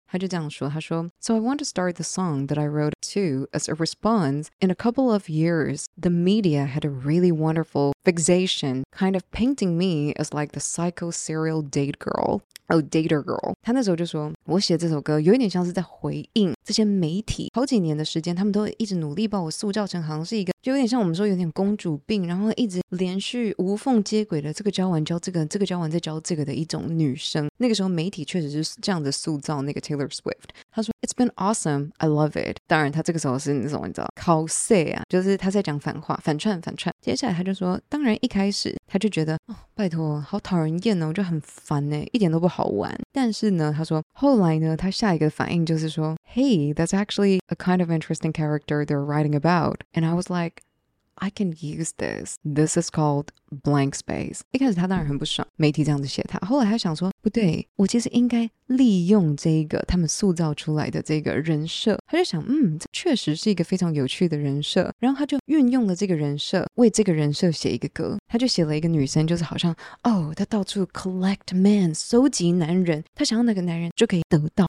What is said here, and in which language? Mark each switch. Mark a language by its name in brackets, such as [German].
[Chinese] 他就这样说，他说 [English] So I want to start the song that I wrote to as a response in a couple of years, the media had a really wonderful fixation, kind of painting me as like the psycho serial date girl. Oh, dater girl. [Chinese] 他那时候就说，我写这首歌有一点像是在回应这些媒体好几年的时间，他们都一直努力把我塑造成好像是一个，就有点像我们说有点公主病，然后一直连续无缝接轨的，这个教完教这个，这个教完再教这个的一种女生。那个时候媒体确实是这样子塑造那个 Taylor Swift。他说 [English] It's been awesome, I love it。 [Chinese] 当然他这个时候是那种你知道 cosy 啊，就是他在讲反话，反串反串。接下来他就说，当然一开始他就觉得，哦，拜托好讨人厌哦，就很烦耶，一点都不好玩。但是呢他说后来呢，他下一个反应就是说 [English] Hey, that's actually a kind of interesting character they're writing about. And I was like,I can use this. This is called blank space. [Chinese] 一开始他当然很不爽，媒体这样子写他。后来他想说，不对，我其实应该利用这个他们塑造出来的这个人设。他就想，这确实是一个非常有趣的人设。然后他就运用了这个人设，为这个人设写一个歌。他就写了一个女生，就是好像，哦，他到处 [English] collect men, [Chinese] 收集男人，他想要那个男人就可以得到。